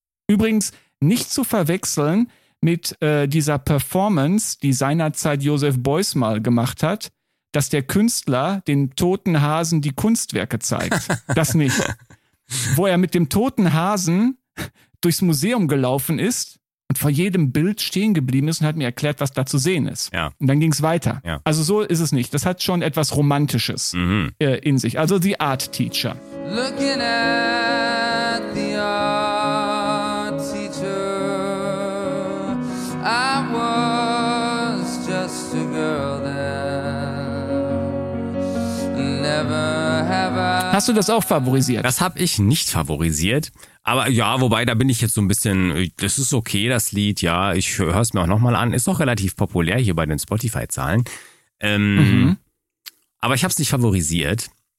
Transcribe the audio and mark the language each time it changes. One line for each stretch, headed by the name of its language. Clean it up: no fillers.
German: Übrigens nicht zu verwechseln mit dieser Performance, die seinerzeit Joseph Beuys mal gemacht hat, dass der Künstler den toten Hasen die Kunstwerke zeigt. Das nicht. Wo er mit dem toten Hasen durchs Museum gelaufen ist und vor jedem Bild stehen geblieben ist und hat mir erklärt, was da zu sehen ist. Ja. Und dann ging es weiter. Ja. Also so ist es nicht. Das hat schon etwas Romantisches in sich. Also The Art Teacher.
English: Looking at the art teacher, I was just a girl then. Never have I.
German: Hast du das auch favorisiert? Das habe ich nicht favorisiert. Aber ja, wobei, da bin ich jetzt so ein bisschen, das ist okay, das Lied, ja, ich höre es mir auch nochmal an. Ist auch relativ populär hier bei den Spotify-Zahlen. Aber ich habe es nicht favorisiert.